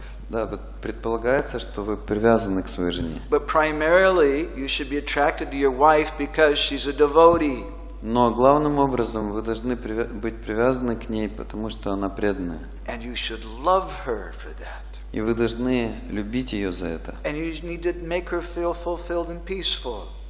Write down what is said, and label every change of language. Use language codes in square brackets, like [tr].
[ru] Да, предполагается, что вы привязаны к своей жене. [en] But primarily you should be attracted to your wife because she's a devotee. [ru] Но главным образом вы должны быть привязаны к ней, потому что она преданная. [en] And you should love her for that. [ru] И вы должны любить ее за это. [en] And you need to make her feel fulfilled and peaceful.